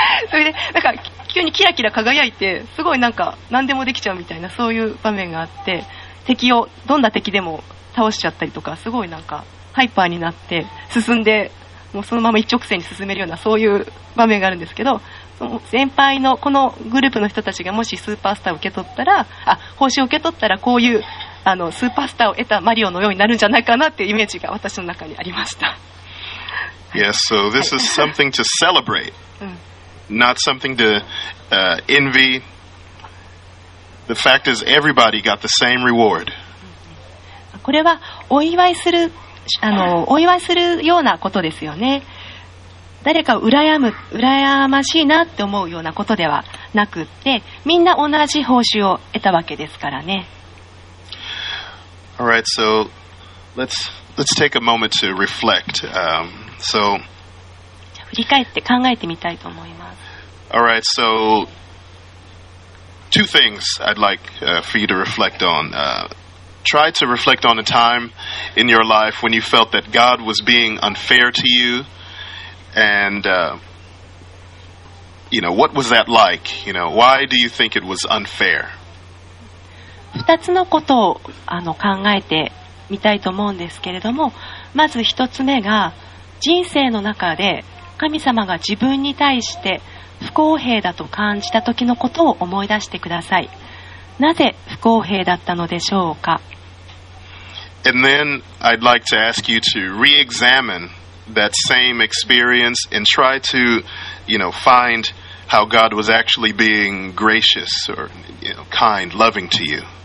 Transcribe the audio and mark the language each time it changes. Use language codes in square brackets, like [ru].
[ja] それでなんか急にキラキラ輝いて、すごいなんか何でもできちゃうみたいな、そういう場面があって、敵をどんな敵でも倒しちゃったりとか、すごいなんかハイパーになって進んで、もうそのまま一直線に進めるような、そういう場面があるんですけど、その先輩のこのグループの人たちがもしスーパースターを受け取ったら、あ、報酬を受け取ったら、こういうスーパースターを得たマリオのようになるんじゃないかなっていうイメージが私の中にありました。 [en] Yes, so this is something to celebrate, 、うん、not something to envy. The fact is everybody got the same reward. [ja] これはお祝いするお祝いするようなことですよね。誰かを羨ましいなって思うようなことではなくって、みんな同じ報酬を得たわけですからね。 [en] All right, so let's take a moment to reflect. So [ja] 振り返って考えてみたいと思います。 [en] All right, so two things I'd like for you to reflect on. Try to reflect on a time in your life when you felt that God was being unfair to youAnd, you know, what was that like? You know, why do you think it was unfair? [ja] 二つのことを考えてみたいと思うんですけれども、まず一つ目が、人生の中で神様が自分に対して不公平だと感じた時のことを思い出してください。なぜ不公平だったのでしょうか。 [en] And then I'd like to ask you to re-examine that same experience and try to, you know, find how God was actually being gracious or, you know, kind, loving to you.